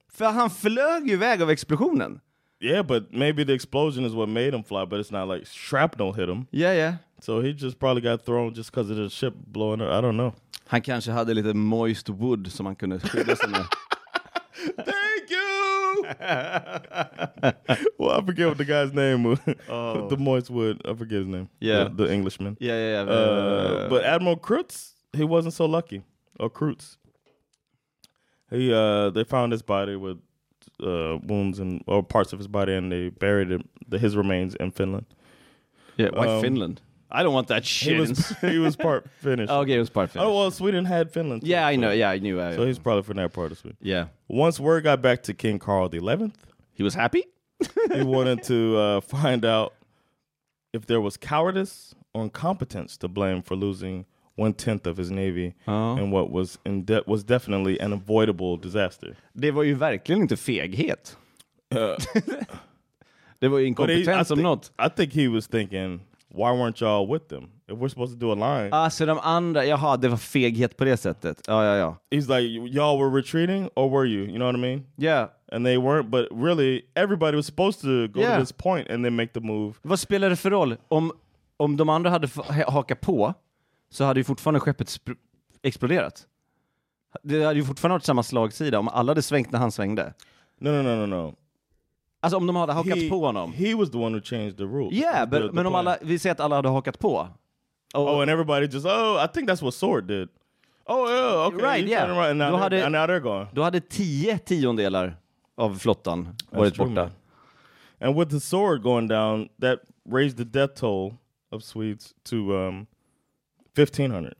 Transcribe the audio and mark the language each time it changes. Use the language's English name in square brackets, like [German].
[Swedish] För han flög ju iväg av explosionen. [English] Yeah, but maybe the explosion is what made him fly, but it's not like shrapnel hit him. Yeah. So he just probably got thrown just because of the ship blowing up. I don't know. [Swedish] Han kanske hade lite [English] moist wood [Swedish] som han kunde skydda sig med. [English] Thank you! Well, I forget what the guy's name was. The Moistwood. I forget his name. Yeah. The Englishman. Yeah. But Admiral Kurtz, he wasn't so lucky. Or Kurtz. They found his body with wounds and or parts of his body, and they buried him, his remains in Finland. Yeah, why Finland? I don't want that shit. He was part Finnish. Okay, he was part Finnish. Oh, well, Sweden had Finland. Yeah, too, I know. Yeah, I knew. So he's probably from that part of Sweden. Yeah. Once word got back to King Carl XI, he was happy. He wanted to find out if there was cowardice or incompetence to blame for losing 1/10 of his navy and what was was definitely an avoidable disaster. [Swedish] Det var ju verkligen inte feghet. Det var ju inkompetens om något. [English] I think he was thinking, why weren't y'all with them? If we're supposed to do a line. [Swedish] Ah, så de andra, jaha, det var feghet på det sättet. Ja. [English] He's like, y'all were retreating or were you? You know what I mean? Yeah. And they weren't, but really, everybody was supposed to go to this point and then make the move. [Swedish] Vad spelar det för roll? Om de andra hade hakat på, så hade ju fortfarande skeppet exploderat. Det hade ju fortfarande varit samma slagsida om alla hade svängt när han svängde. [English] No. [Swedish] Alltså om de hade hakat på honom. [English] He was the one who changed the rules. [Swedish] Yeah, men om alla, vi säger att alla hade hakat på. [English] Oh, and everybody just, I think that's what Sword did. Oh, yeah, okay. Right, and now they're gone. [Swedish] Då hade 10/10 av flottan varit borta. [English] And with the sword going down, that raised the death toll of Swedes to 1500.